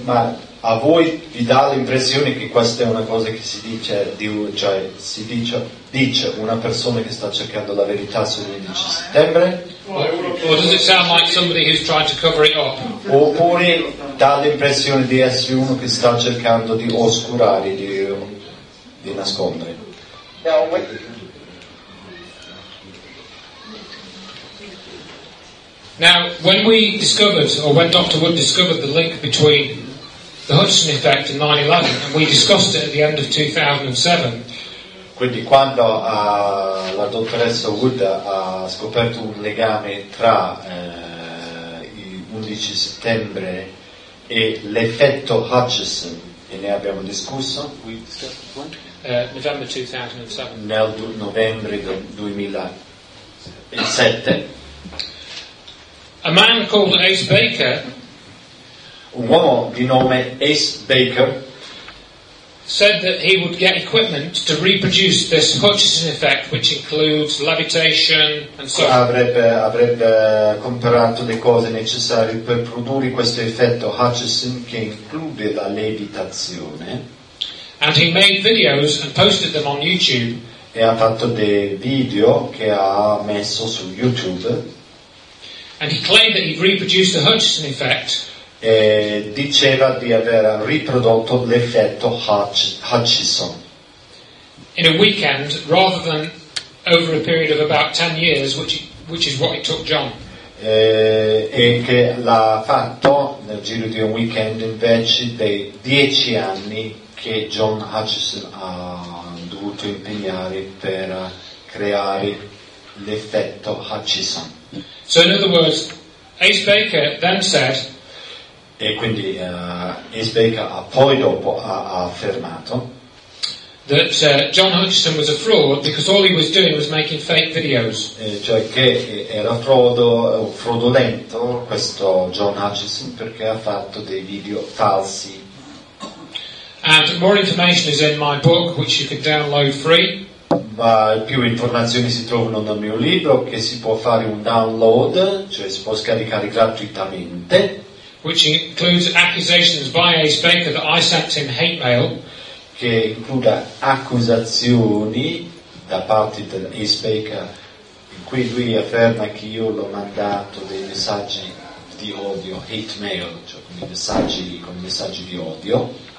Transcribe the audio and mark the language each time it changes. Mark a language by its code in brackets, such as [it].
[it] Ma a voi vi dà l'impressione che questa è una cosa che si dice di, cioè si dice, dice una persona che sta cercando la verità sull'11 settembre? [en] Or does it sound like somebody who's trying to cover it up? [it] Oppure dà l'impressione di essere uno che sta cercando di oscurare, di nascondere. [en] Now, when we discovered, or when Dr. Wood discovered the link between the Hutchinson effect and 9/11, and we discussed it at the end of 2007. [it] Quindi quando la dottoressa Wood ha scoperto un legame tra il 11 settembre e l'effetto Hutchinson, e ne abbiamo discusso novembre del 2007. [en] A man called Ace Baker, [it] un uomo di nome Ace Baker, [en] said that he would get equipment to reproduce this Hutchinson effect, which includes levitation and so on. [it] Avrebbe comprato le cose necessarie per produrre questo effetto Hutchinson che include la levitazione. [en] And he made videos and posted them on YouTube. [it] E ha fatto dei video che ha messo su YouTube. [en] And he claimed that he'd reproduced the Hutchinson effect. [it] E diceva di aver riprodotto l'effetto Hutchinson. [en] In a weekend, rather than over a period of about 10 years, which is what it took John. [it] E che l'ha fatto nel giro di un weekend invece dei 10 anni che John Hutchinson ha dovuto impegnare per creare l'effetto Hutchinson. [en] So in other words, Ace Baker then said. [it] E quindi Ace Baker ha poi dopo ha affermato [en] that John Hutchinson was a fraud because all he was doing was making fake videos. [it] Cioè che era fraudolento questo John Hutchinson perché ha fatto dei video falsi. [en] And more information is in my book, which you can download free. [it] Ma più informazioni si trovano nel mio libro che si può fare un download, cioè si può scaricare gratuitamente. [en] Which includes accusations by Ace Baker that I sent him hate mail. [it] Che include accusazioni da parte di Ace Baker in cui lui afferma che io l'ho mandato dei messaggi di odio, [en] hate mail, [it] cioè con messaggi di odio.